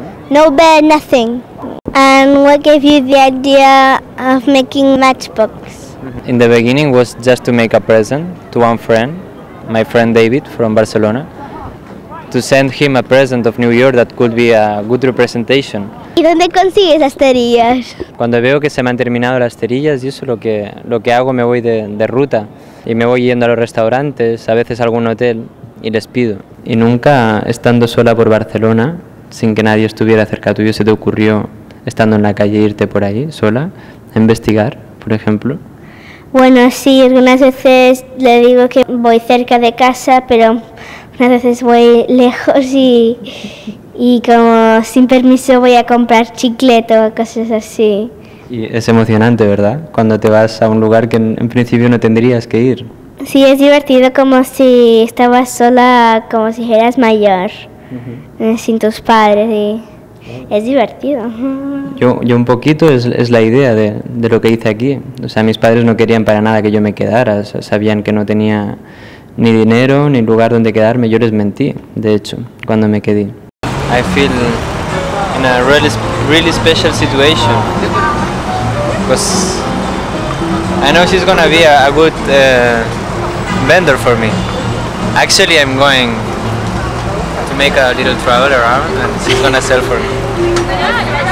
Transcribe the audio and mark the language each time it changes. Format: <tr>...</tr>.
<en>No bed, nothing. And what gave you the idea of making matchbooks? In the beginning was just to make a present to one friend, my friend David from Barcelona, to send him a present of New York that could be a good representation.</en> <es>¿Y dónde consigues las cerillas? Cuando veo que se me han terminado las cerillas, yo solo lo que hago, me voy de ruta y me voy yendo a los restaurantes, a veces a algún hotel y les pido. Y nunca estando sola por Barcelona, sin que nadie estuviera cerca tuyo, se te ocurrió estando en la calle irte por ahí sola a investigar, por ejemplo. Bueno, sí, algunas veces le digo que voy cerca de casa, pero unas veces voy lejos y como sin permiso voy a comprar chicleto o cosas así. Y es emocionante, ¿verdad? Cuando te vas a un lugar que en principio no tendrías que ir. Sí, es divertido, como si estabas sola, como si eras mayor, sin tus padres y es divertido. Yo un poquito es la idea de lo que hice aquí. O sea, mis padres no querían para nada que yo me quedara. O sea, sabían que no tenía ni dinero ni lugar donde quedarme. Yo les mentí, de hecho, cuando me quedé.</es> <en>I feel in a really, really special situation. Because I know she's gonna be a good vendor for me. Actually, I'm going to make a little travel around and she's gonna sell for me.</en>